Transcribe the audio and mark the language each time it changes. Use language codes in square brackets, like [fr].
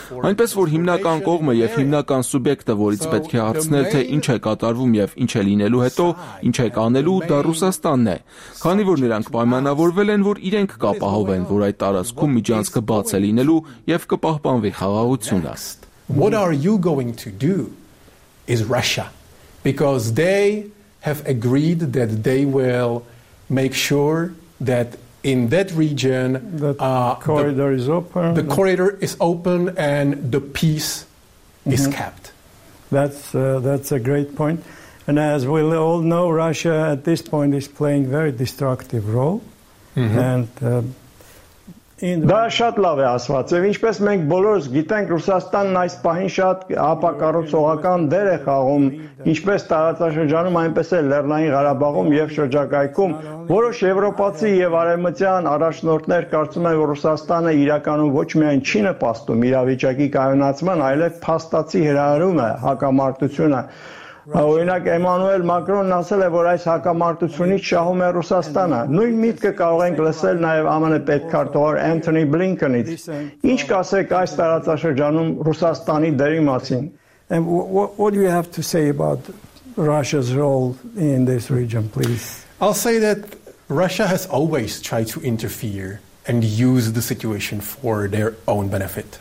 [hy] Այնպես որ հիմնական կողմը և հիմնական սուբյեկտը, որից պետք է հարցնել, թե ինչ է կատարվում և ինչ է լինելու հետո, ինչ է կանելու, դա Ռուսաստանն է, քանի որ նրանք պայմանավորվել են, որ իրենք կապահովեն, որ այդ տարածքում միջանցքը բաց է լինելու և կպահպանվի խաղաղությունը։ [en] What are you going to do is Russia, because they have agreed that they will make sure that in that region the corridor is open and the peace mm-hmm. is kept. That's a great point. And as we all know, Russia at this point is playing very destructive role. Mm-hmm. And [hy] դա շատ լավ է ասված, եւ ինչպես մենք բոլորս գիտենք, Ռուսաստանն այս պահին շատ ապակառուցողական դեր է խաղում, ինչպես տարածաշրջանում, այնպես էլ Լեռնային Ղարաբաղում եւ շրջակայքում։ Որոշ եվրոպացի եւ արևմտյան առաջնորդներ կարծում են, որ Ռուսաստանը իրականում ոչ միայն չի նպաստում իրավիճակի կայունացման, այլև փաստացի հրահրում է հակամարտությունը։ Օրինակ Էմանուել Մակրոնն ասել է, որ այս հակամարտությունից շահում է Ռուսաստանը։ Նույն միտքը կարող ենք լսել նաև ԱՄՆ պետքարտուղար Անթոնի Բլինքենից։ Ինչ կասեք այս տարածաշրջանում Ռուսաստանի դերի մասին? [en] What do you have to say about Russia's role in this region, please? I'll say that Russia has always tried to interfere and use the situation for their own benefit.